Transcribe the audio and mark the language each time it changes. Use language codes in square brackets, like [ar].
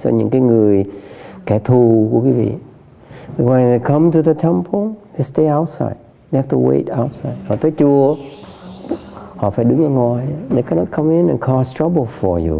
[vi] So những cái người kẻ thù của quý vị. [en] When they come to the temple, they stay outside. They have to wait outside. [vi] Họ tới chùa, họ phải đứng ở ngoài. [en] They cannot come in and cause trouble for you.